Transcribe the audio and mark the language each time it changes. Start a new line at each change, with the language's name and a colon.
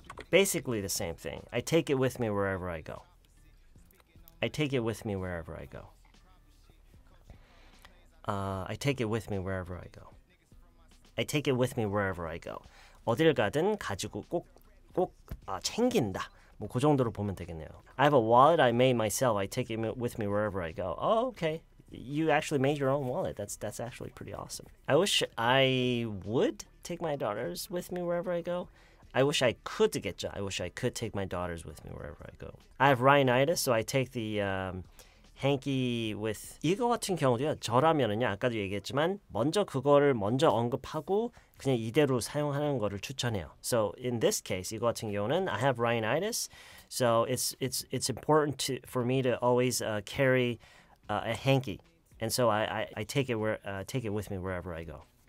English: Basically the same thing. I take it with me wherever I go. I take it with me wherever I go. I take it with me wherever I go. I take it with me wherever I go.
Korean: 어딜 가든 가지고 챙긴다. 뭐그 정도로 보면 되겠네요.
English: I have a wallet I made myself. I take it with me wherever I go. Oh, okay. You actually made your own wallet. That's actually pretty awesome. I wish I would take my daughters with me wherever I go. I wish I could get job. I wish I could take my daughters with me wherever I go. I have rhinitis, so I take the hanky with.
Korean: 이거 같은 경우도요, 저라면은요, 아까도 얘기했지만, 먼저 그거를 먼저 언급하고, 그냥 이대로 사용하는 거를 추천해요.
English: So, in this case,
Korean: 이거 같은 경우는,
English: I have rhinitis, so it's important for me to always carry a hanky. And so I take it with me wherever I go.